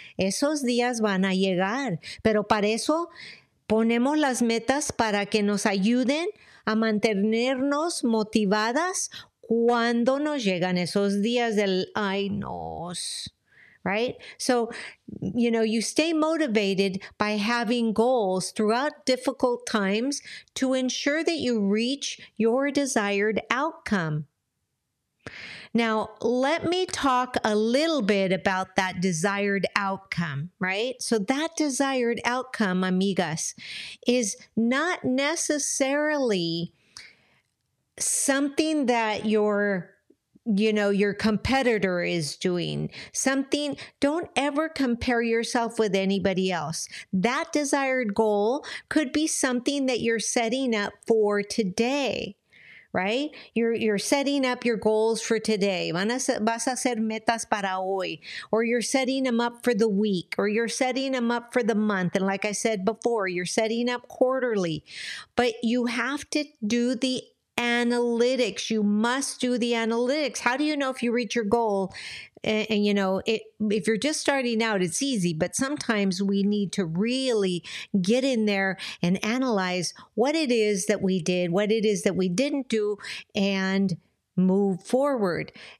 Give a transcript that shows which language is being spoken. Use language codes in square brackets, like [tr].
[es] Esos días van a llegar, pero para eso ponemos las metas para que nos ayuden a mantenernos motivadas cuando nos llegan esos días del ay no, right? [en] So, you stay motivated by having goals throughout difficult times to ensure that you reach your desired outcome. Now, let me talk a little bit about that desired outcome, right? So that desired outcome, amigas, is not necessarily something that your competitor is doing. Don't ever compare yourself with anybody else. That desired goal could be something that you're setting up for today. Right? You're setting up your goals for today. [es] Vas a hacer metas para hoy. [en] Or you're setting them up for the week. Or you're setting them up for the month. And like I said before, you're setting up quarterly. But you have to do the analytics. You must do the analytics. How do you know if you reach your goal? If you're just starting out, it's easy. But sometimes we need to really get in there and analyze what it is that we did, what it is that we didn't do, and move forward.